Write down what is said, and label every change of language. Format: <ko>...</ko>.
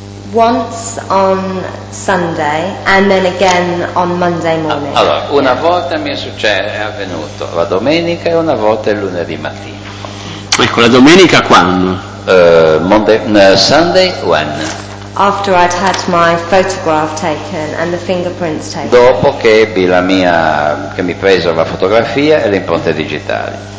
<en>Once on Sunday and then again on Monday morning.</en> <it>Allora, una volta mi è successo, è avvenuto la domenica e una volta il lunedì mattina. Ecco, la domenica quando?</it> <en>Sunday when? After I'd had my photograph taken and the fingerprints taken.</en> <it>Dopo che ebbi che mi preso la fotografia e le impronte digitali.</it>